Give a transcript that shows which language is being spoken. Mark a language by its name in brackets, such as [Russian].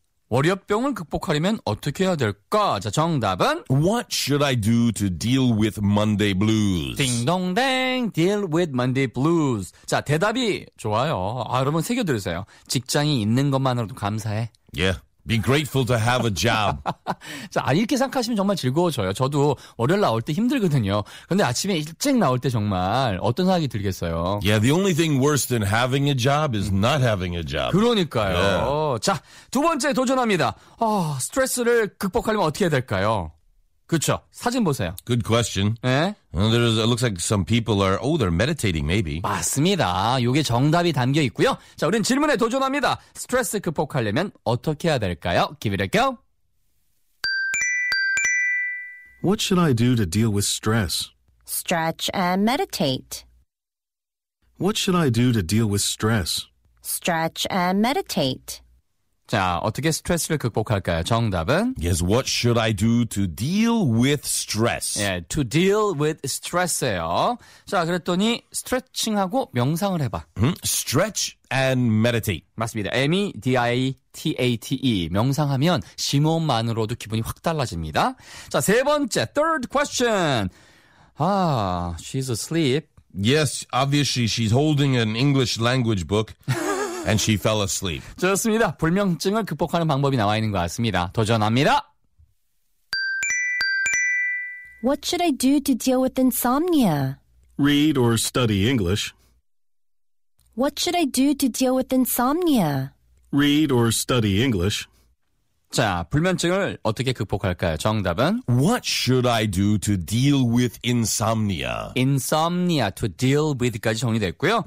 [Korean] 월요병을 극복하려면 어떻게 해야 될까? 자, 정답은 [English] What should I do to deal with Monday blues? 딩동댕, deal with Monday blues. [Korean] 자, 대답이 좋아요. 아, 여러분 새겨들으세요. 직장이 있는 것만으로도 감사해. [English] Yeah, be grateful to have a job. [Korean] 자, 이렇게 생각하시면 정말 즐거워져요. 저도 월요일 나올 때 힘들거든요. 근데 아침에 일찍 나올 때 정말 어떤 생각이 들겠어요? [English] Yeah, the only thing worse than having a job is not having a job. [Korean] 그러니까요. Yeah. 자, 두 번째 도전합니다. 어, 스트레스를 극복하려면 어떻게 해야 될까요? 그렇죠. 사진 보세요. [English] Good question. [Korean] 네? [English] There is, it looks like some people are, oh, they're meditating maybe. [Korean] 맞습니다. 이게 정답이 담겨 있고요. 자, 우린 질문에 도전합니다. 스트레스 극복하려면 어떻게 해야 될까요? [English] Give it a go. What should I do to deal with stress? Stretch and meditate. What should I do to deal with stress? Stretch and meditate. [Korean] 자, 어떻게 스트레스를 극복할까요? 정답은? [English] Yes, what should I do to deal with stress? Yeah, to deal with stress예요. [Korean] 자, 그랬더니 스트레칭하고 명상을 해봐. [English] Stretch and meditate. [Korean] 맞습니다. M-E-D-I-T-A-T-E. 명상하면 심호흡만으로도 기분이 확 달라집니다. 자, 세 번째, [English] third question. 아, she's asleep. Yes, obviously she's holding an English language book. And she fell asleep. [Korean] 좋습니다. 불면증을 극복하는 방법이 나와 있는 것 같습니다. 도전합니다. [English] What should I do to deal with insomnia? Read or study English. What should I do to deal with insomnia? Read or study English. [Korean] 자, 불면증을 어떻게 극복할까요? 정답은 [English] What should I do to deal with insomnia? Insomnia, to deal with까지 정리됐고요.